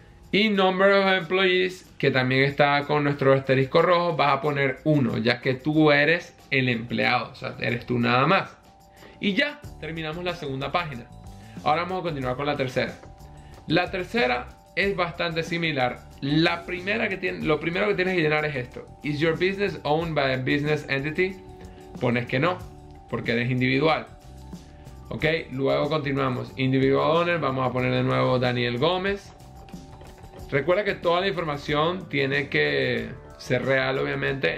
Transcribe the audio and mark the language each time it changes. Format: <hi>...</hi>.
<es>Y number of employees, que también está con nuestro asterisco rojo, vas a poner 1, ya que tú eres el empleado, o sea, eres tú nada más. Y ya, terminamos la segunda página. Ahora vamos a continuar con la tercera. La tercera es bastante similar. Lo primero que tienes que llenar es esto.</es> <en>Is your business owned by a business entity?</en> <es>Pones que no, porque eres individual. Ok, luego continuamos. Individual owner, vamos a poner de nuevo Daniel Gómez. Recuerda que toda la información tiene que ser real, obviamente.</es>